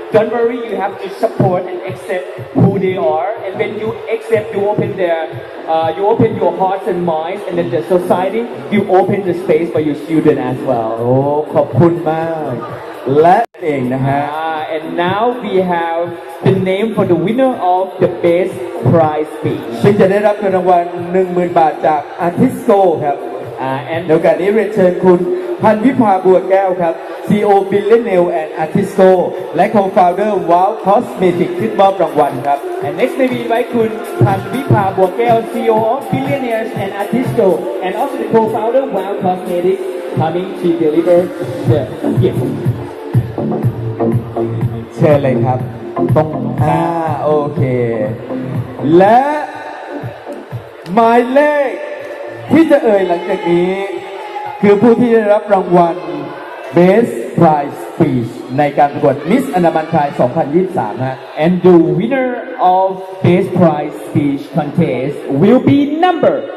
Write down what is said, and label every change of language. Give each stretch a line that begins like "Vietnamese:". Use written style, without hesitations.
English: Don't worry, you have to support and accept who they are. And when you accept, you open their, you open your hearts and minds, and then the society, you open the space for your children as well.
Thai: Oh, ขอบคุณมากและเองนะฮะ
English: And now we have the name for the winner of the best prize speech.
Thai: ซึ่งจะได้รับเงินรางวัล 10,000 บาทจากอาทิสโซครับ
English: And
Thai: เดี๋ยวกันนี้เรียนเชิญคุณพันวิภาบัวแก้วครับ CEO Billionaire and Artisto และ Co-founder Wow Cosmetic ขึ้นมอบรางวัลครับ
English: And next maybe ไว้คุณพันวิภาบัวแก้ว CEO of Billionaires and Artisto and also the Co-founder Wow Cosmetic coming to deliver
Thai: เชิญเลยครับตรงโอเคและหมายเลขที่จะเอ่ยหลังจากนี้คือผู้ที่ได้รับรางวัล Best Prize Speech ในการประกวด Miss Annamalai 2023ฮะ
English: And the winner of Best Prize Speech Contest will be number